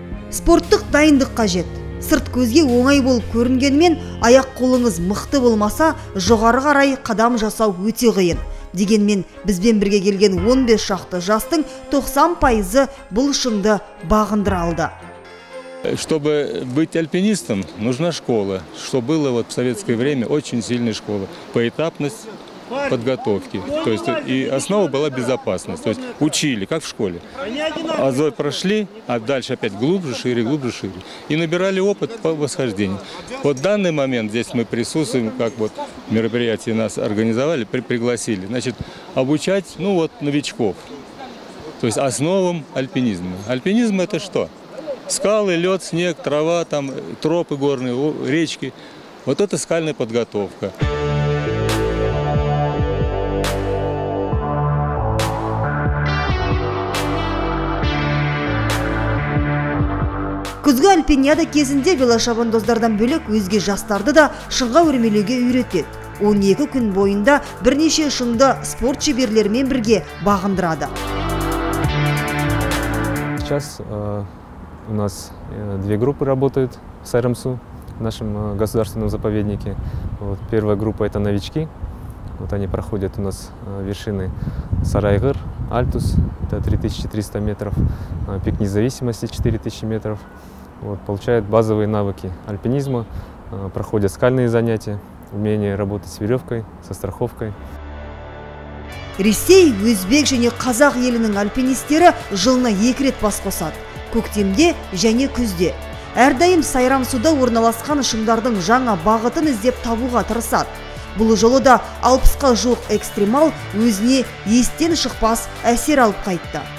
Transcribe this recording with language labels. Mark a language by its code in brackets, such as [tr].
[kk] спорттық дайындық қажет. Сырт көзге оңай болып көрінгенмен, аяқ қолыңыз мықты болмаса, жоғары қарай қадам жасау өте қиын. Дегенмен, бізбен бірге келген 15 шақты жастың 90% бұл шыңды бағындыра алды. [ru] Чтобы быть альпинистом, нужна школа. Что было вот в советское время, очень сильная школа. Поэтапность подготовки. То есть и основа была безопасность. То есть учили, как в школе. Азой прошли, а дальше опять глубже, шире, глубже, шире. И набирали опыт по восхождению. Вот в данный момент здесь мы присутствуем, как вот мероприятие нас организовали, пригласили. Значит, обучать, ну вот, новичков. То есть основам альпинизма. Альпинизм это что? Скалы, лед, снег, трава, там тропы горные, речки. Вот это скальная подготовка. [kk] Күзгі альпиниада кезінде велошабандоздардан бөлек өзге жастарды да шыңға өрмелеуге үйретеді. 12 күн бойында бірнеше шыңды спорт шеберлермен бірге бағындырады. [ru] Сейчас у нас две группы работают в Сайрамсу, в нашем государственном заповеднике. Вот, первая группа – это новички. Вот они проходят у нас вершины Сарайгыр, Альтус, это 3300 метров, пик независимости 4000 метров. Вот, получают базовые навыки альпинизма, проходят скальные занятия, умение работать с веревкой, со страховкой. [kk] Ресей, өзбек және қазақ елінің альпинистері жылына екі рет бас қосады. Көктемде және күзде. Әрдайым Сайрамсуда орналасқан шыңдардың жаңа бағытын іздеп табуға тырысады. Бұл жолы да 60-қа жоқ экстремал өзіне естен шықпас әсер алып қайтты.